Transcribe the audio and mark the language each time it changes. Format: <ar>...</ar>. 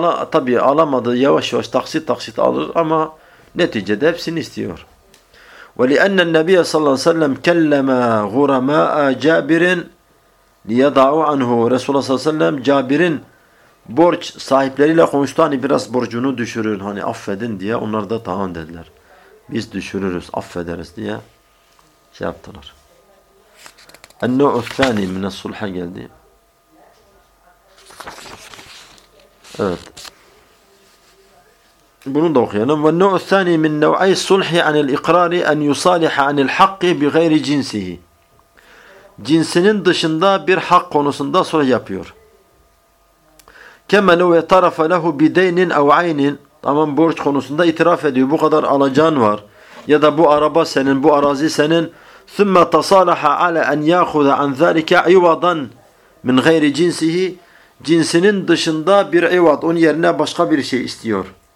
<tr>Tabii alamadı yavaş yavaş taksit alır ama neticede hepsini istiyor.</tr> <ar>ولأن النبي صلى الله عليه وسلم</ar> <tr>كلم غرماء جابر ليضعوا عنه رسول الله صلى الله عليه وسلم جابر'in borç sahipleriyle konuştu hani biraz borcunu düşürün hani affedin diye onlar da tamam dediler. Biz düşürürüz affederiz diye şey yaptılar.</tr> <ar>النوع الثاني من الصلح</ar> <tr>geldi. Evet. Bunu da okuyalım.</tr> <ar>وَالنُّعُ الثَّانِي مِنْ نَوْعَيْ الصُّلْحِ عَنِ الْإِقْرَارِ اَنْ يُصَالِحَ عَنِ الْحَقِّ بِغَيْرِ جِنْسِهِ</ar> <tr>Cinsinin dışında bir hak konusunda sulh yapıyor.</tr> <ar>كَمَلُوْ وَتَرَفَ لَهُ بِدَيْنٍ اَوْ عَيْنٍ</ar> <tr>Tamam borç konusunda itiraf ediyor. Bu kadar alacağın var. Ya da bu araba senin, bu arazi senin.</tr> <ar>ثُمَّ تَصَالَحَ عَلَى اَنْ يَاخُذَ عَنْ ذَلِكَ عِوَضًا مِنْ غَيْرِ جِنْسِهِ</ar> <tr>Cinsinin dışında bir ivad, onun yerine başka bir şey istiyor.</tr>